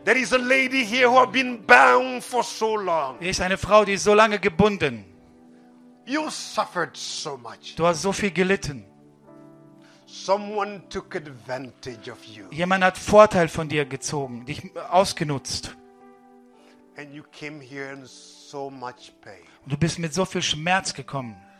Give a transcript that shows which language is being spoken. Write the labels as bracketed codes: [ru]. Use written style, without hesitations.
[en] There is a lady here who have been bound for so long. [de] Hier ist eine Frau, die ist so lange gebunden. [en] You suffered so much. [de] Du hast so viel gelitten. [en] Someone took advantage of you. [de] Jemand hat Vorteil von dir gezogen, dich ausgenutzt. [en] And you came here in so much pain. [de] Und du bist mit so viel Schmerz gekommen.